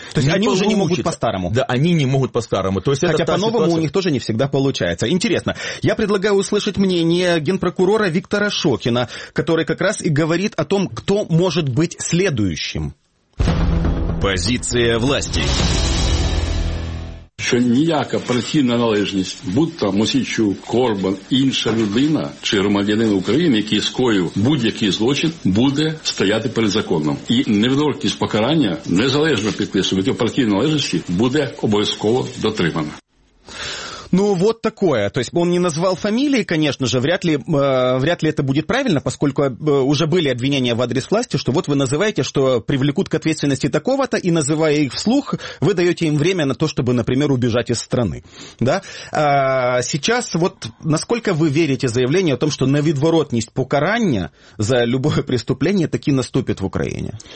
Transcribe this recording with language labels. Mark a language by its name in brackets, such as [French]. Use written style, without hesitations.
[Russian] То есть они уже не могут по-старому. Да, они не могут по-старому. То есть хотя по-новому ситуация... у них тоже не всегда получается. Интересно. Я предлагаю услышать мнение генпрокурора Виктора Шокина, который как раз и говорит о том, кто может быть следующим. [Ukrainian] Позиція власті. Що ніяка партійна належність, будь-то Мосійчук, Корбан, інша людина чи громадянин України, який скоїв будь-який злочин, буде стояти перед законом. І невідворотність покарання, незалежно підписувати цього партійної належності, буде обов'язково дотримана. [Russian] Ну, вот такое. То есть, он не назвал фамилии, конечно же, вряд ли это будет правильно, поскольку уже были обвинения в адрес власти, что вот вы называете, что привлекут к ответственности такого-то, и называя их вслух, вы даете им время на то, чтобы, например, убежать из страны. Да? А сейчас вот насколько вы верите заявлению о том, что навидворотность покарания за любое преступление таки наступит в Украине?